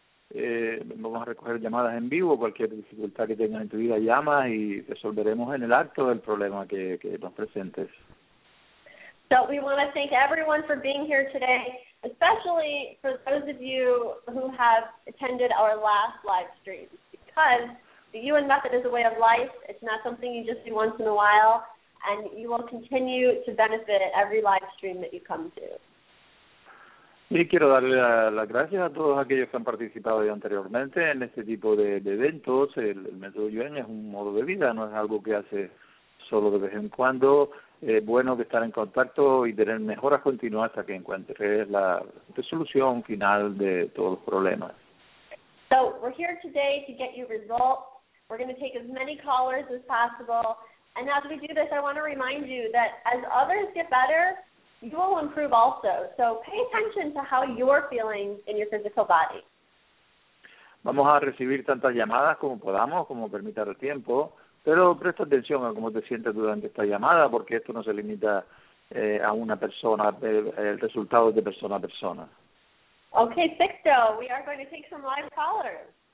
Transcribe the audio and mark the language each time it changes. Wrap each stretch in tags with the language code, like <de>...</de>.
<es>Vamos a recoger llamadas en vivo, cualquier dificultad que tengas en tu vida, llama y resolveremos en el acto el problema que nos presentes.</es> <en>So we want to thank everyone for being here today, especially for those of you who have attended our last live stream, because the UN method is a way of life. It's not something you just do once in a while, and you will continue to benefit every live stream that you come to.</en> <es>Y quiero darle las gracias a todos aquellos que han participado ya anteriormente en este tipo de eventos. El método Yuen es un modo de vida, no es algo que hace solo de vez en cuando. Es bueno que estar en contacto y tener mejoras continuas hasta que encuentres la resolución final de todos los problemas.</es> <en>So, we're here today to get you results. We're going to take as many callers as possible. And as we do this, I want to remind you that as others get better, you will improve also. So pay attention to how you're feeling in your physical body.</en> <es>Vamos a recibir tantas llamadas como podamos, como permita el tiempo, pero presta atención a cómo te sientes durante esta llamada, porque esto no se limita a una persona, el resultado es de persona a persona.</es> <en>Okay, Sixto, we are going to take some live callers.</en>